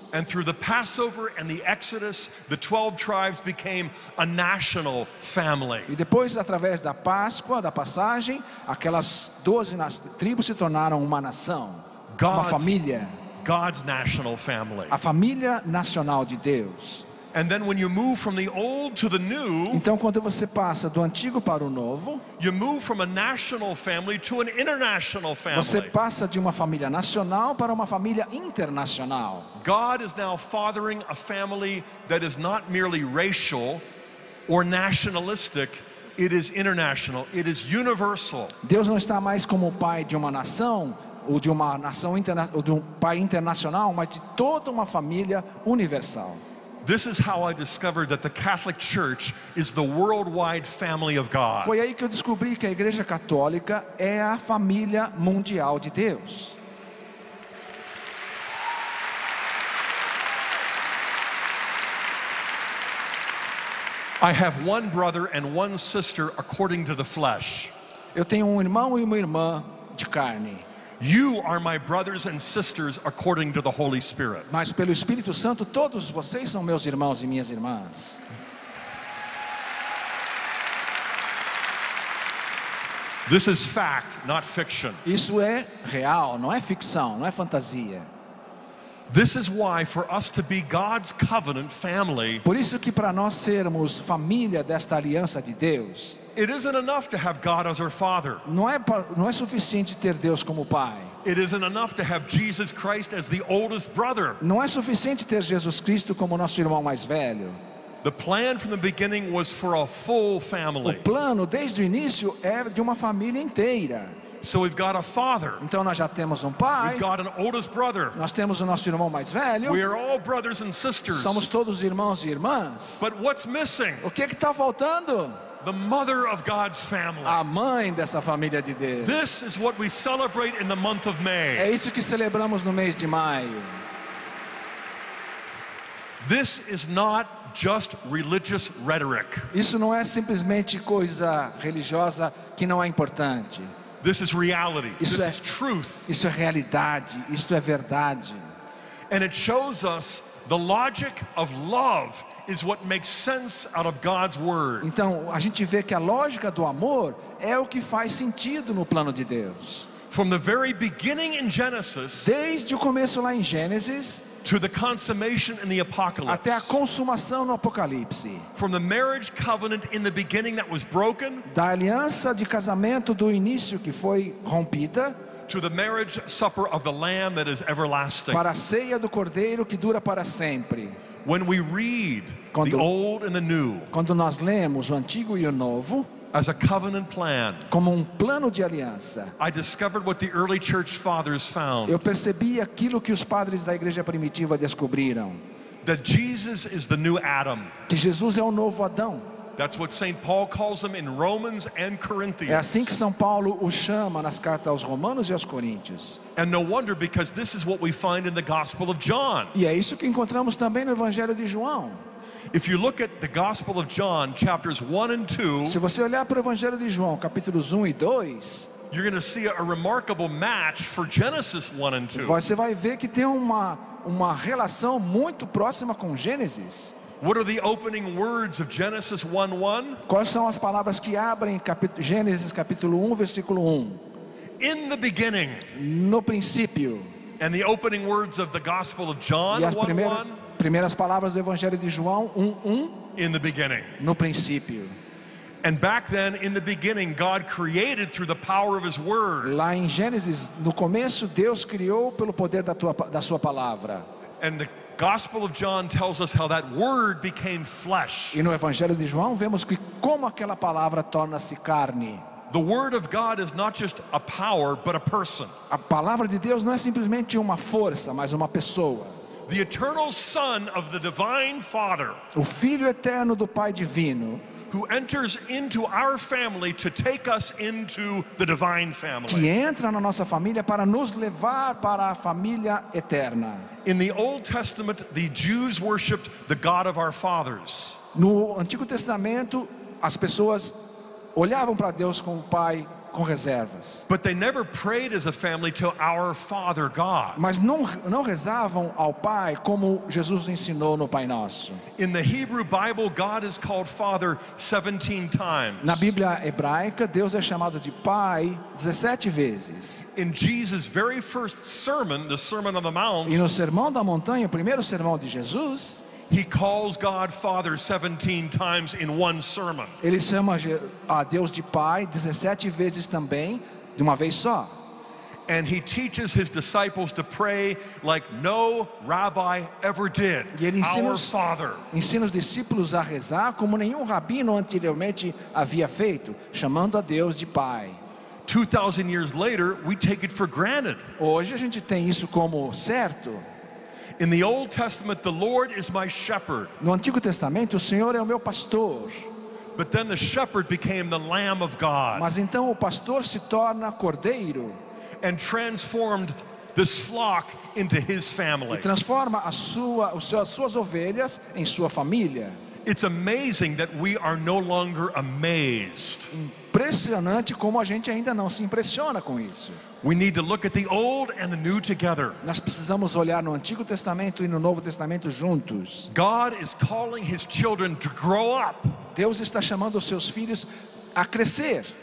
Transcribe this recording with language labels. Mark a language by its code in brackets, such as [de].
[en] And through the Passover and the Exodus, the 12 tribes became a national family. [pt] E depois, através da Páscoa, da passagem, aquelas 12 tribos se tornaram uma nação, uma família. [en] God's national family. [pt] A família nacional de Deus. [en] And then when you move from the old to the new, [pt] então quando você passa do antigo para o novo, [en] you move from a national family to an international family. [pt] Você passa de uma família nacional para uma família internacional. [en] God is now fathering a family that is not merely racial or nationalistic. It is international. It is universal. [pt] Deus não está mais como o pai de uma nação ou de uma nação ou de um pai internacional, mas de toda uma família universal. [en] This is how I discovered that the Catholic Church is the worldwide family of God. [pt] Foi aí que eu descobri que a Igreja Católica é a família mundial de Deus. [en] I have one brother and one sister according to the flesh. [pt] Eu tenho um irmão e uma irmã de carne. [en] You are my brothers and sisters according to the Holy Spirit. [pt] Mas pelo Espírito Santo todos vocês são meus irmãos e minhas irmãs. [en] This is fact, not fiction. [pt] Isso é real, não é ficção, não é fantasia. [en] This is why for us to be God's covenant family. [pt] Por isso que para nós sermos família desta aliança de Deus. [en] It isn't enough to have God as our father. [pt] Não é suficiente ter Deus como pai. [en] It isn't enough to have Jesus Christ as the oldest brother. [pt] Não é suficiente ter Jesus Cristo como nosso irmão mais velho. [en] The plan from the beginning was for a full family. [pt] O plano desde o início é de uma família inteira. [en] So we've got a father. [pt] Então nós já temos um pai. [en] We've got an oldest brother. [pt] Nós temos o nosso irmão mais velho. [en] We are all brothers and sisters. [pt] Somos todos irmãos e irmãs. [en] But what's missing? [pt] O que é que tá faltando? [en] The mother of God's family. [pt] A mãe dessa família de Deus. [en] This is what we celebrate in the month of May. [pt] É isso que celebramos no mês de maio. [en] This is not just religious rhetoric. [pt] Isso não é simplesmente coisa religiosa que não é importante. [en] This is reality. [pt] Isso [en] this is truth. [pt] Isso é realidade. Isto é verdade. [en] And it shows us the logic of love is what makes sense out of God's word. [pt] Então, a gente vê que a lógica do amor é o que faz sentido no plano de Deus. [en] From the very beginning in Genesis, [pt] desde o começo lá em Gênesis, [en] to the consummation in the apocalypse. [pt] Até a consumação no apocalipse. [en] From the marriage covenant in the beginning that was broken, [pt] da aliança de casamento do início que foi rompida, [en] to the marriage supper of the lamb that is everlasting. [pt] Para a ceia do cordeiro que dura para sempre. [en] When we read the old and the new, [pt] quando nós lemos o antigo e o novo, [en] as a covenant plan, [pt] como plano de aliança, [en] I discovered what the early church fathers found. [pt] Eu percebi aquilo que os padres da igreja primitiva descobriram. [en] That Jesus is the new Adam. [pt] Que Jesus é o novo Adão. [en] That's what St. Paul calls him in Romans and Corinthians. [pt] É assim que São Paulo o chama nas cartas aos Romanos e aos Coríntios. [en] And no wonder, because this is what we find in the Gospel of John. [pt] E é isso que encontramos também no Evangelho de João. [en] If you look at the Gospel of John, chapters 1 and 2, [pt] se você olhar para o Evangelho de João, capítulos 1 e 2, [en] you're going to see a remarkable match for Genesis 1 and 2. [pt] Você vai ver que tem uma relação muito próxima com Gênesis. [en] What are the opening words of Genesis 1:1? [pt] Quais são as palavras que abrem Gênesis capítulo 1, versículo 1? [en] In the beginning. [pt] No princípio. [en] And the opening words of the Gospel of John 1:1? [pt] E as primeiras palavras do Evangelho de João 1:1? [en] In the beginning. [pt] No princípio. [en] And back then, in the beginning, God created through the power of His word. [pt] Lá em Gênesis, no começo, Deus criou pelo poder da sua palavra. [en] And the Gospel of John tells us how that word became flesh. [pt] E no Evangelho de João vemos que como aquela palavra torna-se carne. [en] The word of God is not just a power, but a person. [pt] A palavra de Deus não é simplesmente uma força, mas uma pessoa. [en] The eternal Son of the divine Father. [pt] O filho eterno do Pai divino. [en] Who enters into our family to take us into the divine family. [pt] Que entra na nossa família para nos levar para a família eterna. [en] In the Old Testament, the Jews worshipped the God of our fathers. [pt] No Antigo Testamento, as pessoas olhavam para Deus como pai com reservas. [en] But they never prayed as a family to our Father God. [pt] Mas não rezavam ao Pai como Jesus ensinou no Pai Nosso. [en] In the Hebrew Bible, God is called Father 17 times. [pt] Na Bíblia hebraica, Deus é chamado de Pai 17 vezes. [en] In Jesus' very first sermon, the Sermon on the Mount, [pt] e no Sermão da Montanha, o primeiro sermão de Jesus, [en] He calls God Father 17 times in one sermon. [pt] Ele chama a Deus de Pai 17 vezes também, de uma vez só. [en] And he teaches his disciples to pray like no rabbi ever did. [pt] E ele ensina [en] our Father. [pt] Ensina os discípulos a rezar como nenhum rabino anteriormente havia feito, chamando a Deus de Pai. [en] 2000 years later, we take it for granted. [pt] Hoje a gente tem isso como certo. [en] In the Old Testament, the Lord is my shepherd. [pt] No Antigo Testamento, o Senhor é o meu pastor. [en] But then the shepherd became the Lamb of God. [pt] Mas então o pastor se torna cordeiro. [en] And transformed this flock into his family. [pt] E transforma as suas ovelhas em sua família. [en] It's amazing that we are no longer amazed. [pt] Impressionante como a gente ainda não se impressiona com isso. [en] We need to look at the old and the new together. [pt] Nós precisamos olhar no Antigo Testamento e no Novo Testamento juntos. [en] God is calling his children to grow up. [pt] Deus está chamando os seus filhos a crescer.